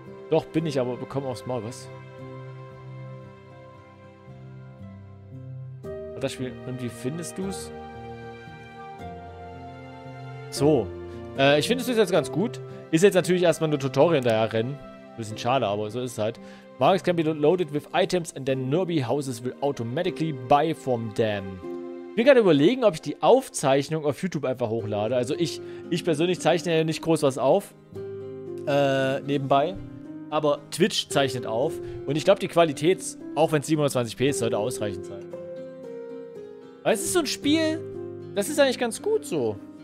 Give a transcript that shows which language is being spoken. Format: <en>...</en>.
<de>Doch, bin ich, aber bekomme aufs Maul was. Das Spiel. Und wie findest du es? So. Ich finde es jetzt ganz gut. Ist jetzt natürlich erstmal nur Tutorial hinterher rennen. Bisschen schade, aber so ist es halt.</de> <en>Markets can be loaded with items and then Nurby houses will automatically buy from them.</en> <de>Ich bin gerade überlegen, ob ich die Aufzeichnung auf YouTube einfach hochlade. Also ich persönlich zeichne ja nicht groß was auf. Nebenbei. Aber Twitch zeichnet auf. Und ich glaube, die Qualität, auch wenn es 720p ist, sollte ausreichend sein. Aber es ist so ein Spiel, das ist eigentlich ganz gut so.</de>